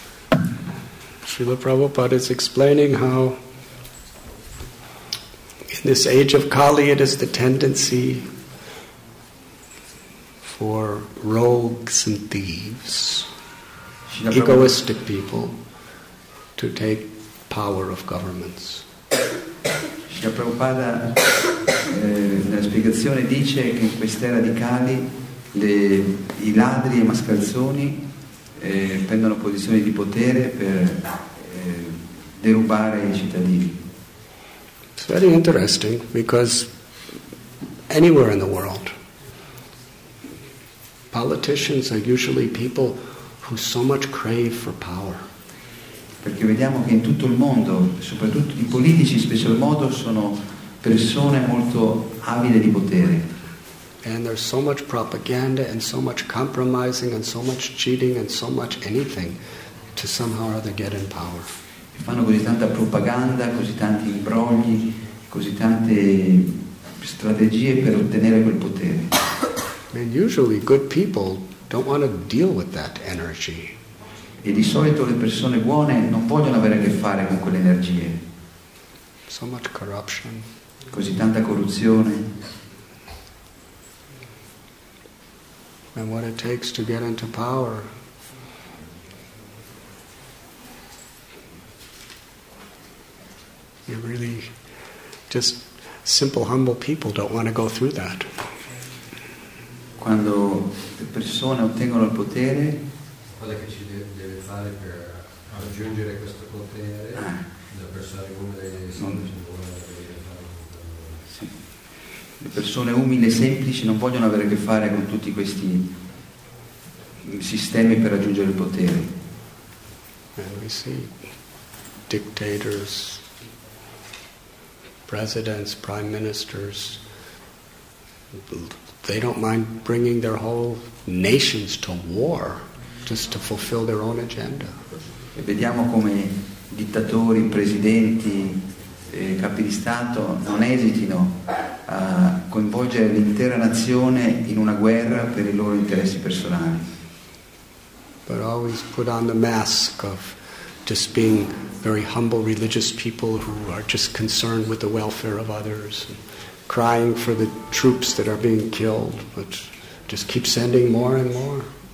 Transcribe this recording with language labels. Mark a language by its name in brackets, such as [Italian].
[English] Srila Prabhupada is explaining how in this age of Kali it is the tendency for rogues and thieves, egoistic people, to take power of governments. [Italian] Srila Prabhupada, nella spiegazione, dice che in quest'era di Kali i ladri e mascalzoni prendono posizioni di potere per derubare i cittadini. [English] It's very interesting because anywhere in the world, politicians are usually people who so much crave for power. [Italian] Perché vediamo che in tutto il mondo, soprattutto i politici in special modo, sono persone molto avide di potere. [English] And there's so much propaganda and so much compromising and so much cheating and so much anything to somehow or other get in power. [Italian] E fanno così tanta propaganda, così tanti imbrogli, così tante strategie per ottenere quel potere. [English] And usually good people don't want to deal with that energy. [Italian] E di solito le persone buone non vogliono avere a che fare con quelle energie. [English] So much corruption. [Italian] Così tanta corruzione. [English] And what it takes to get into power. You really, just simple, humble people don't want to go through that. [Italian] Quando le persone ottengono il potere, quella che ci deve fare per raggiungere questo potere, le persone umili e semplici non vogliono avere a che fare Le persone umili e semplici non vogliono avere a che fare con tutti questi sistemi per raggiungere il potere. [English] And we see dictators, presidents, prime ministers, they don't mind bringing their whole nations to war just to fulfill their own agenda. [Italian] E vediamo come dittatori, presidenti, capi di Stato non esitino a coinvolgere l'intera nazione in una guerra per i loro interessi personali. [English] But always put on the mask of just being very humble religious people who are just concerned with the welfare of others. Crying for the troops that are being killed, but just keep sending more and more.